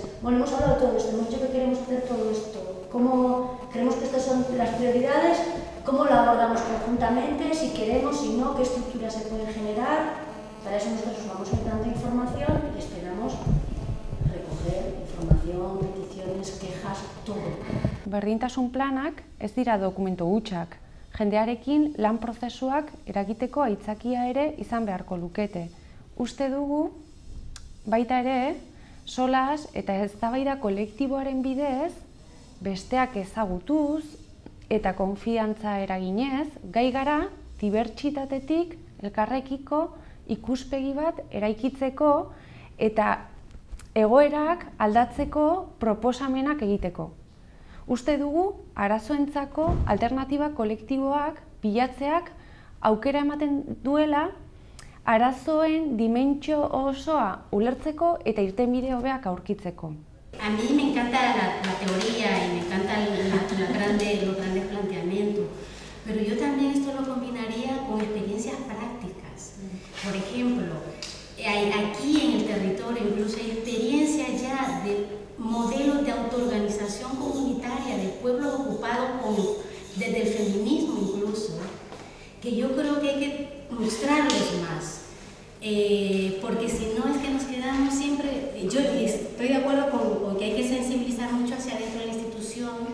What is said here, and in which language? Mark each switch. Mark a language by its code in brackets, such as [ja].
[es] Bueno, hemos hablado de todo esto, hemos dicho que queremos hacer todo esto. ¿Cómo creemos que estas son las prioridades? ¿Cómo lo abordamos conjuntamente? Si queremos, si no, ¿qué estructuras se pueden generar? Para eso nosotros vamos generando información y esperamos recoger información, peticiones, quejas, todo. [eu] Berdintasun planak ez dira dokumento hutsak. Jendearekin lan prozesuak eragiteko aitzakia ere izan beharko lukete. Uste dugu, baita ere, solas eta eztabaida kolektiboaren bidez, besteak ezagutuz eta konfiantza eraginez, gai gara dibertsitatetik elkarrekiko ikuspegi bat eraikitzeko eta egoerak aldatzeko proposamenak egiteko. Uste dugu, arazoentzako alternatiba kolektiboak bilatzeak aukera ematen duela arazoen dimentsio osoa ulertzeko eta irtenbide hobeak aurkitzeko. [es] A mí me encanta la teoría y me encanta los grandes planteamientos, pero yo también esto lo combinaría con experiencias prácticas. Por ejemplo, aquí en el territorio incluso hay experiencias ya de modelos de autoorganización comunitaria de pueblos ocupados desde el feminismo incluso, que yo creo que hay que mostrarlos más, porque si no es que nos quedamos siempre, yo estoy de acuerdo con que hay que sensibilizar mucho hacia dentro de la institución,